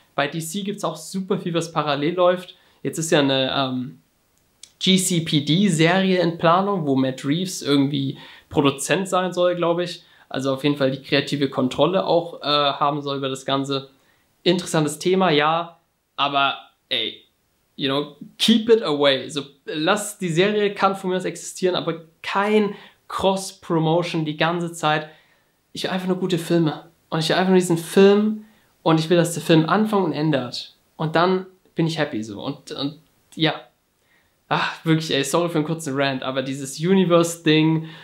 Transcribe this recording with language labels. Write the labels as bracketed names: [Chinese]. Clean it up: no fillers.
[German] Bei DC gibt es auch super viel, was parallel läuft. Jetzt ist ja eine GCPD-Serie in Planung, wo Matt Reeves irgendwie Produzent sein soll, glaube ich. Also auf jeden Fall die kreative Kontrolle auch haben soll über das Ganze. Interessantes Thema, ja. Aber ey, [English] you know, keep it away. [German] So, lass die Serie, kann von mir aus existieren, aber kein Cross-Promotion die ganze Zeit. Ich will einfach nur gute Filme. Und ich will einfach nur diesen Film. Und ich will, dass der Film Anfang und Ende hat. Und dann bin ich happy so. Und ja. Ach, wirklich, ey, sorry für einen kurzen Rant, aber dieses Universe-Ding.